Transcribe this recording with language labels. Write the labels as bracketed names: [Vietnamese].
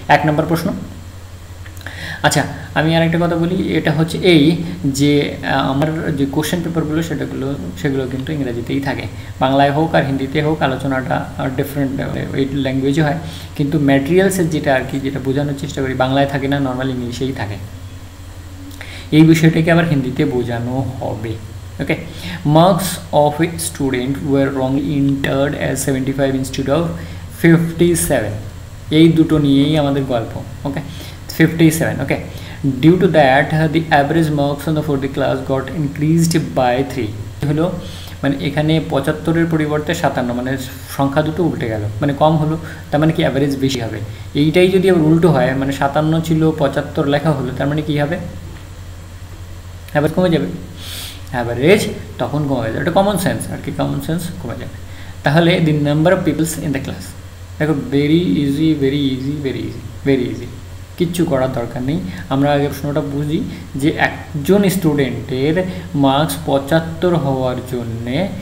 [Bangla] এক নম্বর প্রশ্ন, আচ্ছা আমি আর একটা কথা বলি, এটা হচ্ছে এই যে আমার যে কোশ্চেন পেপারগুলো সেটাগুলো সেগুলো কিন্তু ইংরাজিতেই থাকে, বাংলায় হোক আর হিন্দিতে হোক আলোচনাটা ডিফারেন্ট ওই ল্যাঙ্গুয়েজে হয়, কিন্তু ম্যাটেরিয়ালসের যেটা আর কি যেটা বোঝানোর চেষ্টা করি বাংলায় থাকে না, নর্মাল ইংলিশেই থাকে, এই বিষয়টাকে আবার হিন্দিতে বোঝানো হবে, ওকে। [English] marks of a student were wrong entered as 75 instead of 57, [Bangla] এই দুটো নিয়েই আমাদের গল্প, [English] Okay, 57, okay. Due to that, the average marks on the 4th class got increased by 3. [Bangla] হলো মানে এখানে 75 এর পরিবর্তে 57 মানে সংখ্যা দুটো উল্টে গেল মানে কম হলো তার মানে কি এভারেজ বেশি হবে এইটাই যদি আবার উল্টো হয় মানে 57 ছিল 75 লেখা হলো তার মানে কি হবে এভারেজ কমে যাবে এভারেজ তখন কমে যাবে এটা কমন সেন্স আর কি কমন সেন্স কমে যাবে তাহলে [English] the number of peoples in the class [Bangla] দেখো very easy very easy very easy very easy কিচ্ছু করার দরকার নেই আমরা আগে প্রশ্নটা বুঝি যে একজন স্টুডেন্টের মার্কস 75 হওয়ার জন্যে